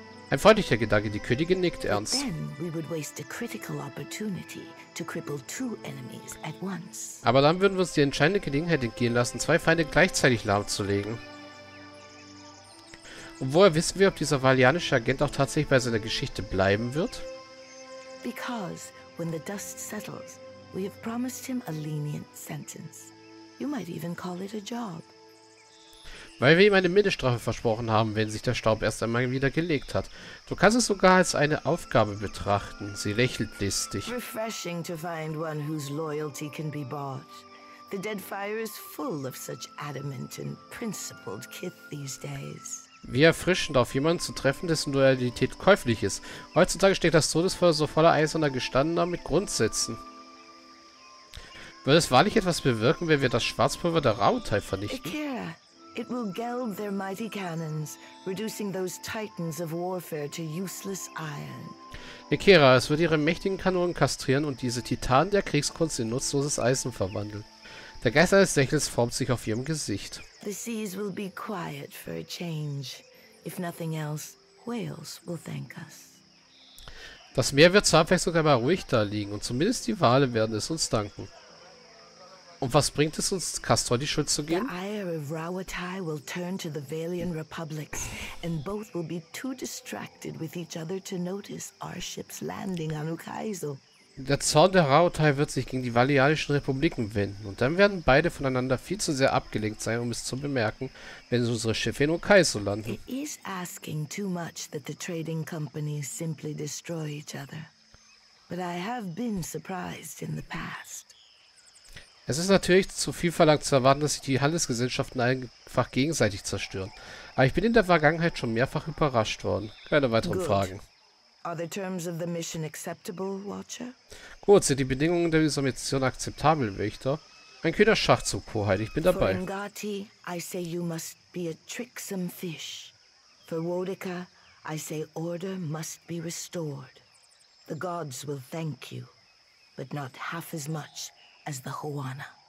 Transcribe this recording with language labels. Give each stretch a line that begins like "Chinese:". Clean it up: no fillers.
German: Ein freundlicher Gedanke, die Königin nickt ernst. Aber dann würden wir uns die entscheidende Gelegenheit entgehen lassen, zwei Feinde gleichzeitig lahmzulegen. Und woher wissen wir, ob dieser valianische Agent auch tatsächlich bei seiner Geschichte bleiben wird?
English: Because when the dust settles, we have promised him a lenient sentence. You might even call it a job.
German: Weil wir ihm eine Mindeststrafe versprochen haben, wenn sich der Staub erst einmal wieder gelegt hat. Du kannst es sogar als eine Aufgabe betrachten. Sie lächelt listig.
English: Refreshing to find one whose loyalty can be bought. The dead fire is full of such adamant and principled kith these days.
German: Wie erfrischend, auf jemanden zu treffen, dessen Loyalität käuflich ist. Heutzutage steht das Todesfeuer so voller eiserner Gestandener mit Grundsätzen. Würde es wahrlich etwas bewirken, wenn wir das Schwarzpulver der Rauhtai vernichten? Akira.
English: It will geld their mighty cannons, reducing those titans of warfare to useless iron.
German: Akira, es wird ihre mächtigen Kanonen kastrieren und diese Titanen der Kriegskunst in nutzloses Eisen verwandeln. Der Geist eines Lächels formt sich auf ihrem Gesicht.
English: The seas will be quiet for a change. If nothing else, whales will thank us.
German: Das Meer wird zur Abwechslung einmal ruhig da liegen und zumindest die Wale werden es uns danken. Und was bringt es uns, Castor die Schuld zu geben?
English: The ire of Rauhtai will turn to the Valian Republics, and both will be too distracted with each other to notice our ship's landing on Ukaizo.
German: Der Zorn der Rauhtai wird sich gegen die Valianischen Republiken wenden, und dann werden beide voneinander viel zu sehr abgelenkt sein, um es zu bemerken, wenn unsere Schiffe in Ukaizo landen.
English: It is asking too much that the trading companies simply destroy each other, but I have been surprised in the past.
German: Es ist natürlich zu viel verlangt zu erwarten, dass sich die Handelsgesellschaften einfach gegenseitig zerstören. Aber ich bin in der Vergangenheit schon mehrfach überrascht worden. Keine weiteren Fragen.
English: Are the terms of the mission acceptable, Watcher?
German: Gut, sind die Bedingungen dieser Mission akzeptabel, Wächter? Ein kühner Schachzug, Hoheit, ich bin dabei.
English: For Ngati, I say you must be a tricksome fish. For Wodica, I say order must be restored. The gods will thank you, but not half as much as the Hoana.